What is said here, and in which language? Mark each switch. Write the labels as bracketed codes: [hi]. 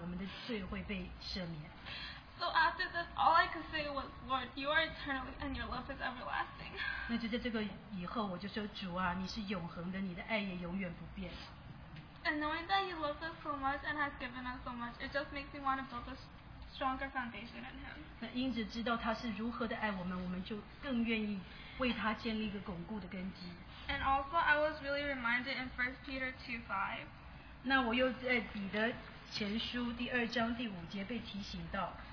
[zh] 那他就说，他的爱是在他的儿子身上，而因着他，我们的罪会被赦免。 [en] So after this, all I could say was, Lord, You are eternal, and Your love is everlasting. [zh] 那就在这个以后，我就说主啊，你是永恒的，你的爱也永远不变。 [en] And knowing that He loves us so much and has given us so much, it just makes me want to build a stronger foundation in Him. [zh] 那因此知道他是如何的爱我们，我们就更愿意为他建立一个巩固的根基。 [en] And also, I was really reminded in 1 Peter 2:5. [zh] 那我又在彼得前书第二章第五节被提醒到。